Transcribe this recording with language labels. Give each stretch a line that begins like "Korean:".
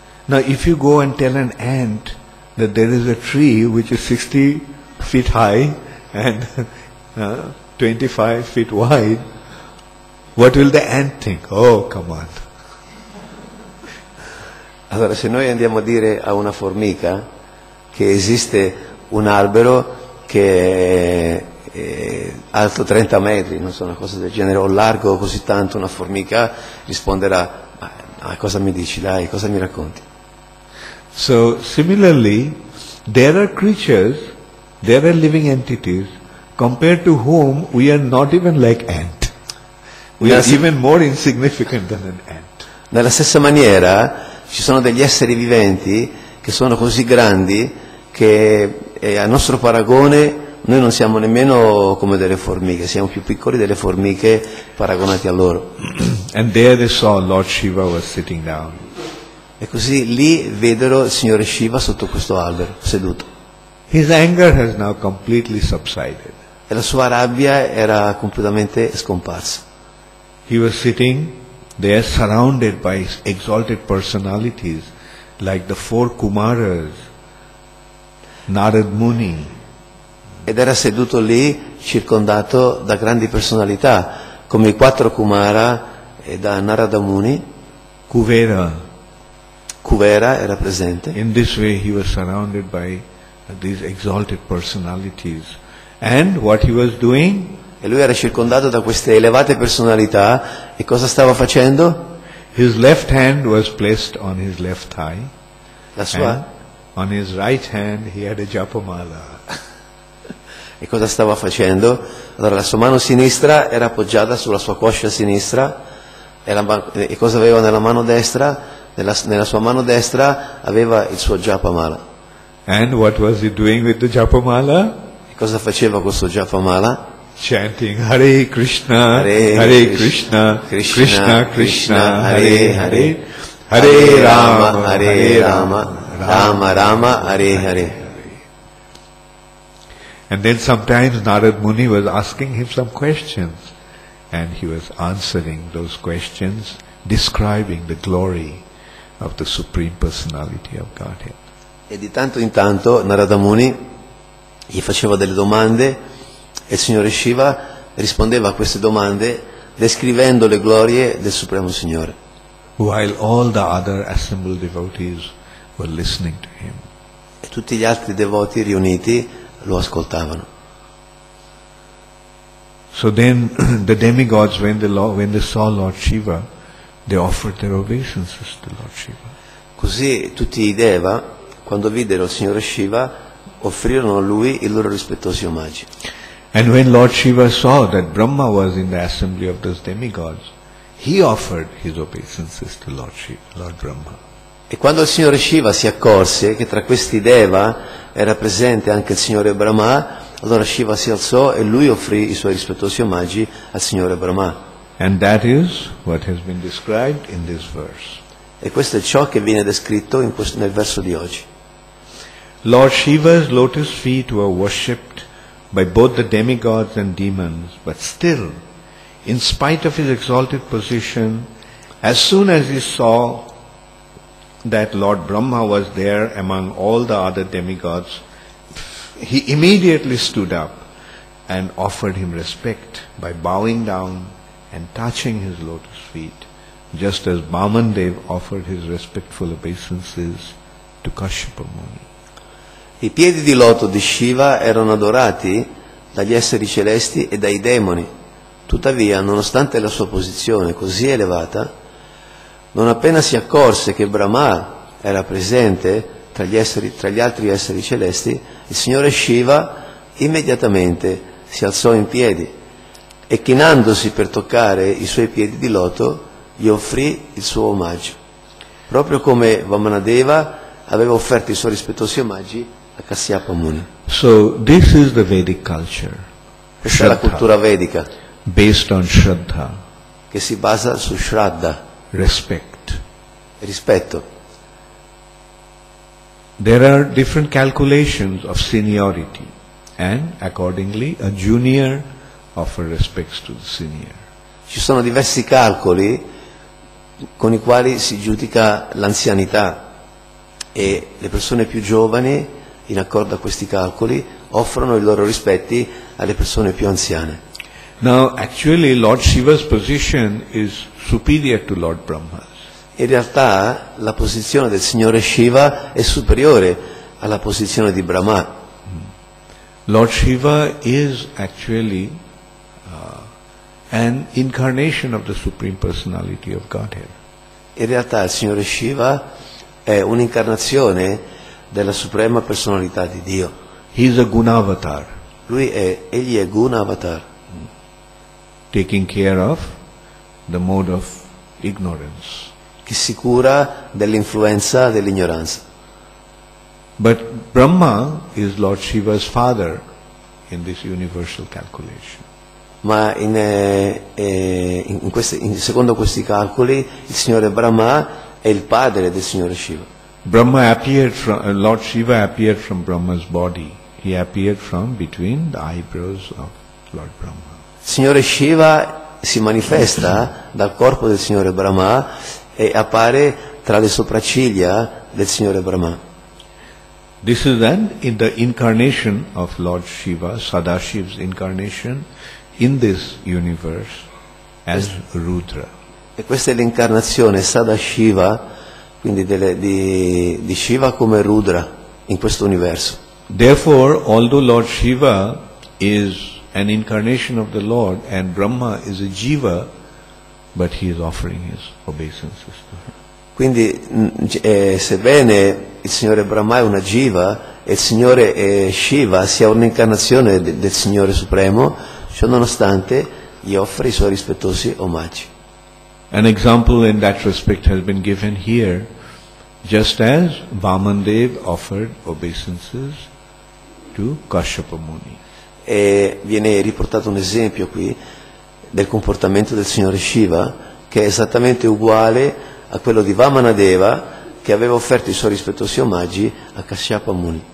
English: Now if you go and tell an ant that there is a tree which is 60 feet high and 25 feet wide, what will the ant think? Oh, come on.
Italian: Allora, se noi andiamo a dire a una formica che esiste un albero che è alto 30 metri, non so, una cosa del genere, o largo così tanto, una formica risponderà: ma cosa mi dici, dai, cosa mi racconti?
English: So similarly there are creatures, there are living entities compared to whom we are not even like ant. We are even more insignificant than an ant.
Italian: Nella stessa maniera ci sono degli esseri viventi che sono così grandi che a nostro paragone noi non siamo nemmeno come delle formiche, siamo più piccoli delle formiche paragonati a loro.
English: And there they saw Lord Shiva was sitting down.
Italian: E così lì vedero il signore Shiva sotto questo albero, seduto.
English: His anger has now completely subsided.
Italian: E la sua rabbia era completamente scomparsa.
English: He was sitting there surrounded by exalted personalities like the four Kumaras, Narad Muni.
Italian: Ed era seduto lì circondato da grandi personalità come i quattro Kumara e da Narada Muni.
English: Kuvera.
Italian: Kuvera era presente.
English: In this way he was surrounded by these exalted personalities. And what he was doing?
Italian: E lui era circondato da queste elevate personalità e cosa stava facendo?
English: His left hand was placed on his left thigh.
Italian: La sua?
English: On his right hand he had a japamala.
Italian: E cosa stava facendo? Allora la sua mano sinistra era appoggiata sulla sua coscia sinistra e cosa aveva nella mano destra? Nella sua mano destra aveva il suo japamala.
English: And what was he doing with the japamala?
Italian: E cosa faceva questo japamala?
English: Chanting Hare Krishna, Hare Krishna, Krishna Krishna, Krishna, Krishna Hare Hare, Hare Rama, Hare Rama, Rama Rama, Hare Hare. And then sometimes Narad Muni was asking him some questions and he was answering those questions, describing the glory of the Supreme Personality of Godhead.
Italian: E di tanto in tanto Narada Muni gli faceva delle domande e il Signore Shiva rispondeva a queste domande descrivendo le glorie del Supremo Signore.
English: While all the other assembled devotees were listening to him.
Italian: E tutti gli altri devoti riuniti lo ascoltavano.
English: So then the demigods, when they saw Lord Shiva, they offered their obeisances to Lord Shiva.
Italian: Così tutti i deva, quando videro il signore Shiva, offrirono a lui i loro rispettosi omaggi.
English: And when Lord Shiva saw that Brahma was in the assembly of those demigods, he offered his obeisances to Lord Brahma.
Italian: E quando il signore Shiva si accorse che tra questi deva era presente anche il signore Brahma, allora Shiva si alzò e lui offrì i suoi rispettosi omaggi al signore Brahma.
English: And that is what has been described in this verse.
Italian: E questo è ciò che viene descritto nel verso di oggi.
English: Lord Shiva's lotus feet were worshipped by both the demigods and demons, but still, in spite of his exalted position, as soon as he saw that Lord Brahma was there among all the other demigods, he immediately stood up and offered him respect by bowing down and touching his lotus feet, just as Bamandev offered his respectful obeisances to Kashyapa Muni.
Italian: I piedi di loto di Shiva erano adorati dagli esseri celesti e dai demoni. Tuttavia, nonostante la sua posizione così elevata, non appena si accorse che Brahma era presente tra gli altri esseri celesti, il signore Shiva immediatamente si alzò in piedi e, chinandosi per toccare i suoi piedi di loto, gli offrì il suo omaggio, proprio come Vamanadeva aveva offerto i suoi rispettosi omaggi a Kashyapa Muni.
English: So this is the Vedic culture.
Italian: Questa Shraddha, è la cultura vedica,
English: based on Shraddha,
Italian: che si basa su Shraddha.
English: Respect.
Italian: Rispetto.
English: There are different calculations of seniority, and accordingly, a junior offers respects to the senior.
Italian: Ci sono diversi calcoli con i quali si giudica l'anzianità, e le persone più giovani, in accordo a questi calcoli, offrono i loro rispetti alle persone più anziane.
English: Now, actually, Lord Shiva's position is superior to Lord Brahma's.
Italian: In realtà, la posizione del signore Shiva è superiore alla posizione di Brahma.
English: Lord Shiva is actually an incarnation of the Supreme Personality of Godhead.
Italian: In realtà, il signore Shiva è un'incarnazione della Suprema Personalità di Dio.
English: He is a guna avatar.
Italian: Egli è guna avatar.
English: Taking care of the mode of ignorance.
Italian: Che si cura dell'influenza dell'ignoranza.
English: But Brahma is Lord Shiva's father in this universal calculation.
Italian: Ma in questi, secondo questi calcoli, il signore Brahma è il padre del Signore Shiva.
English: Brahma appeared from, Lord Shiva appeared from Brahma's body. He appeared from between the eyebrows of Lord Brahma.
Italian: Signore Shiva si manifesta dal corpo del Signore Brahma e appare tra le sopracciglia del Signore Brahma.
English: This is then in the incarnation of Lord Shiva, Sadashiva's incarnation in this universe as Rudra.
Italian: E questa è l'incarnazione Sadashiva, quindi di Shiva come Rudra in questo universo.
English: Therefore, although Lord Shiva is an incarnation of the Lord and Brahma is a Jiva, but he is offering his obeisances to him.
Italian: Quindi, sebbene il Signore Brahma è una Jiva e il Signore Shiva sia un'incarnazione del Signore Supremo, ciò nonostante gli offre i suoi rispettosi omaggi.
English: An example in that respect has been given here, just as Vamandev offered obeisances to Kashyapa Muni.
Italian: E viene riportato un esempio qui del comportamento del Signore Shiva, che è esattamente uguale a quello di Vamanadeva, che aveva offerto i suoi rispettosi omaggi a Kashyapa Muni.